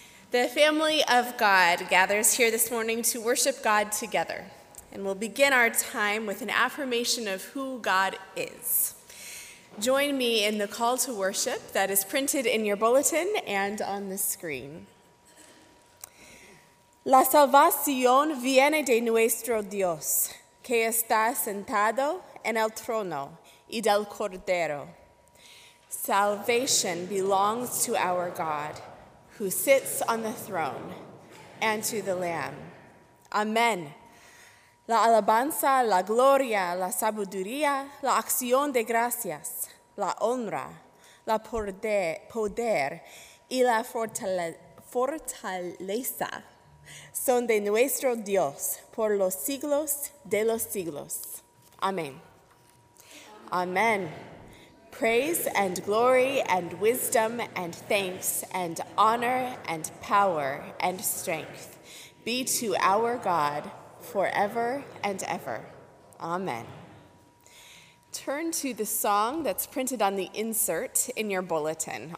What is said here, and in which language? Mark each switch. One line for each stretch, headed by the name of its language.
English: The family of God gathers here this morning to worship God together, and we'll begin our time with an affirmation of who God is. Join me in the call to worship that is printed in your bulletin and on the screen.
Spanish: La salvación viene de nuestro Dios, que está sentado en el trono y del Cordero.
English: Salvation belongs to our God, who sits on the throne, and to the Lamb. Amen.
Spanish: La alabanza, la gloria, la sabiduría, la acción de gracias, la honra, la poder y la fortaleza son de nuestro Dios por los siglos de los siglos. Amen. Amen.
English: Praise and glory and wisdom and thanks and honor and power and strength be to our God forever and ever. Amen. Turn to the song that's printed on the insert in your bulletin.